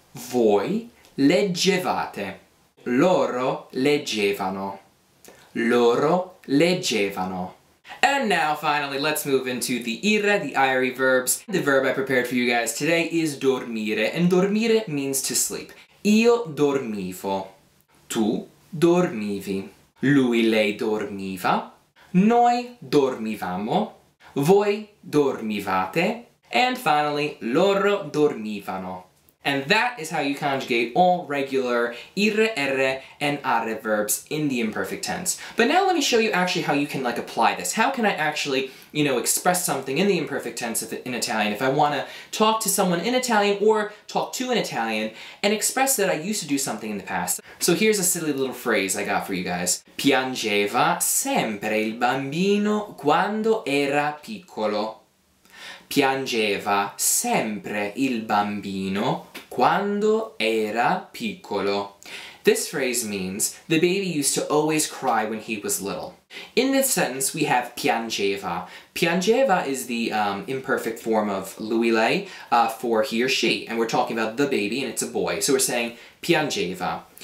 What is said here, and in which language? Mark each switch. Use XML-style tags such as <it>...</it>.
<it>Voi, leggevate. Loro, leggevano. Loro, leggevano.</it> <en>And now, finally, let's move into the ire, the iry verbs. The verb I prepared for you guys today is dormire, and dormire means to sleep.</en> <it>Io dormivo. Tu dormivi. Lui, lei dormiva. Noi dormivamo. Voi dormivate.</it> <en>And finally,</en> <it>loro dormivano.</it> <en>And that is how you conjugate all regular ire, erre, and are verbs in the imperfect tense. But now let me show you actually how you can, like, apply this. How can I actually, you know, express something in the imperfect tense in Italian if I want to talk to someone in Italian or talk to an Italian and express that I used to do something in the past? So here's a silly little phrase I got for you guys.</en> <it>Piangeva sempre il bambino quando era piccolo. Piangeva sempre il bambino quando era piccolo.</it> <en>This phrase means the baby used to always cry when he was little. In this sentence, we have piangeva. Piangeva is the imperfect form of lui lei for he or she. And we're talking about the baby and it's a boy. So we're saying piangeva.</en>